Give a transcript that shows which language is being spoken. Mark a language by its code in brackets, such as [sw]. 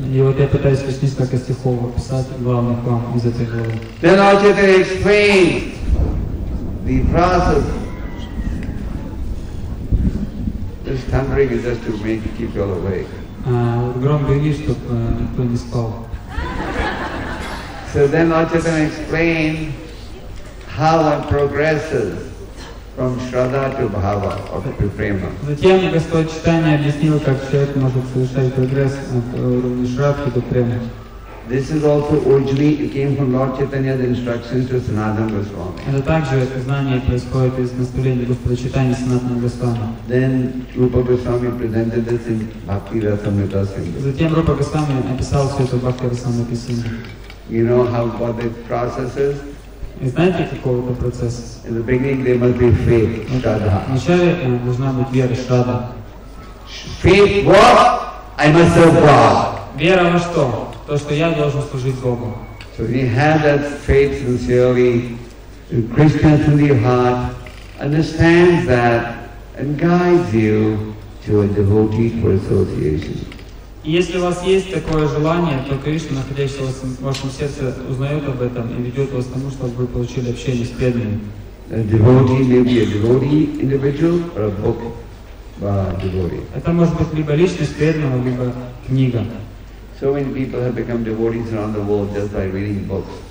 [ru] И вот я пытаюсь лишь несколько стихов описать главных вам из этой главы. [en] Then Ачатарья explained the process. This thundering is just to make keep you all awake. [ru] Гром гремит, чтобы никто не спал. [en] So then Ачатарья explained how one progresses from Shraddha to Bhava or to Prema. [ru] Затем Господь Читания объяснил, как человек может совершать прогресс от уровня Шрадхи до Премы. [en] This is also originally came from Lord Chaitanya's instructions to Sanatana Goswami. [ru] Это также знание происходит из наставления Господа Читания Санатана Госвами. [en] Then Rupa Goswami presented this in Bhakti Rasamrita Sindhu. [ru] Затем Рупа Госвами описал все это в Бхакти Расамрита Сингху. [en] You know how what the process is? [ru] Знаете, какого это процесса? [en] In the beginning there must be faith, Shraddha. [ru] Вначале должна быть вера, Shraddha. [en] Faith what? I must serve God. [ru] Вера во что? То, что я должен служить Богу. [en] So if you have that faith sincerely, and Krishna in your heart understands that and guides you to a devotee for association. [ru] Если у вас есть такое желание, то Кришна, находящийся в вашем сердце, узнает об этом и ведет вас к тому, чтобы вы получили общение с преданными. [en] A devotee may be a devotee individual or a book devotee. [ru] Это может быть либо личность преданного, либо книга. [en] So many people have become devotees around the world just by reading books.